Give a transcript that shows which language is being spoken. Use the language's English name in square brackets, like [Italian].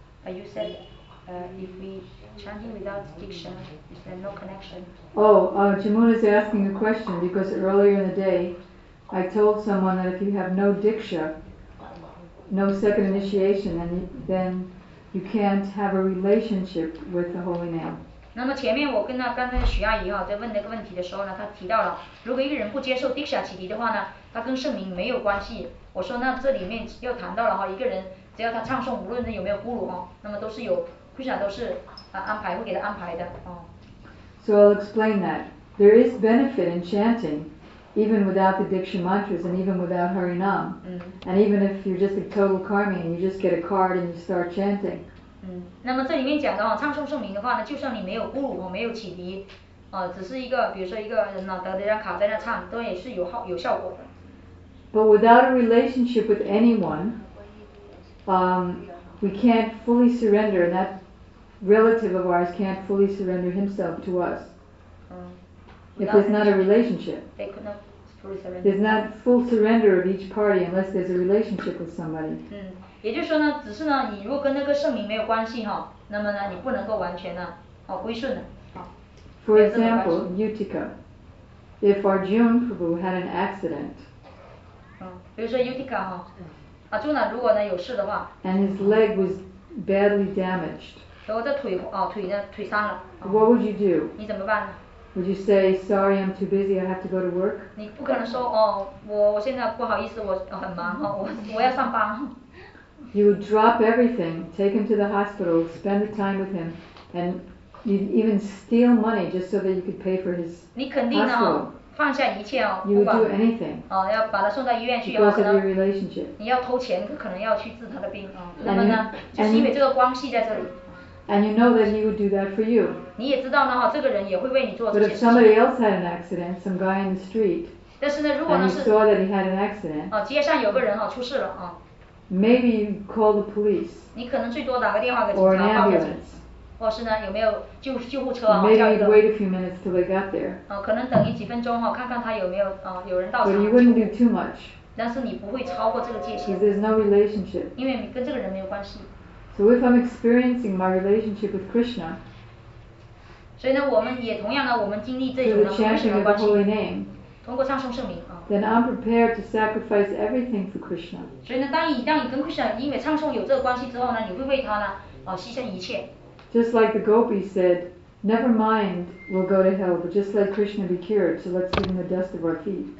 [English] You said, if we chanting without diction, is there no connection? Oh, Jamuna is asking a question because earlier in the day, I told someone that if you have no diksha, no second initiation, then you can't have a relationship with the holy name. [Chinese] 那么前面我跟那刚才许阿姨啊在问那个问题的时候呢，她提到了，如果一个人不接受 diksha 启迪的话呢，他跟圣名没有关系。我说那这里面又谈到了哈，一个人只要他唱诵，无论有没有咕噜哈，那么都是有 Krishna 都是安排会给他安排的哦。 [English] So I'll explain that there is benefit in chanting, even without the diksha mantras and even without Harinam,、嗯、 and even if you're just a total karmi and you just get a card and you start chanting. [Chinese] 嗯，那么这里面讲的哦，唱诵圣名的话呢，就算你没有咕噜哦，没有启迪，只是一个比如说一个人呢得了张卡在那唱，都也是有效果的。 [English] But without a relationship with anyone, we can't fully surrender, and that relative of ours can't fully surrender himself to us. If there's not a relationship, they could not fully surrender. There's not full surrender of each party unless there's a relationship with somebody. [Chinese] 嗯，也就是说呢，只是呢，你如果跟那个圣名没有关系哈，那么呢，你不能够完全呢，哦，归顺的。 [English] For example, Yutika, if Arjuna Prabhu had an accident. [Chinese] 嗯，比如说 Yutika 哈，啊，朱娜如果呢有事的话 [English] ，and his leg was badly damaged. [Chinese] 然后这腿哦，腿呢腿伤了。 [English] What would you do? [Chinese] 你怎么办呢 [English] ？Would you say sorry, I'm too busy, I have to go to work? [Chinese] 你不可能说哦，我现在不好意思，我很忙哦，我要上班。 [English] You would drop everything, take him to the hospital, spend the time with him, and you'd even steal money just so that you could pay for his hospital. [Chinese] 你肯定呢、哦？放下一切哦， [English] you would do anything [Chinese] 不管哦，要把他送到医院去，有可能你要偷钱，可能要去治他的病啊、哦。那么呢， [English] and、 [Chinese] 就是因为这个关系在这里。 [English] And you know that he would do that for you. [Chinese] 你也知道呢哈，这个人也会为你做这些事情。 [English] But if somebody else had an accident, some guy in the street, [Chinese] 但是呢，如果呢是 [English] and you saw that he had an accident, [Chinese] 哦，街上有个人哈、哦、出事了啊、哦。 [English] Maybe you call the police. [Chinese] 你可能最多打个电话给警察报警。或是呢，有没有救护车啊？叫一个。 [English] Maybe wait a few minutes till they got there. [Chinese] 可能等你几分钟哈、啊，看看他有没有有人到场。 [English] But you wouldn't do too much. [Chinese] 但是你不会超过这个界限。 [English] Because there's no relationship. [Chinese] 因为跟这个人没有关系。 [English] So if I'm experiencing my relationship with Krishna. [Chinese] 所以呢，我们也同样呢，我们经历这种呢，跟什么关系？ [English] The holy name, [Chinese] 通过唱诵圣名啊。 [English] Then I'm prepared to sacrifice everything for Krishna. [Chinese] 所以呢，当你跟 Krishna 因为唱诵有这个关系之后呢，你会为他呢牺牲一切。 [English] Just like the gopis said, never mind, we'll go to hell, but just let Krishna be cured, so let's give him the dust of our feet.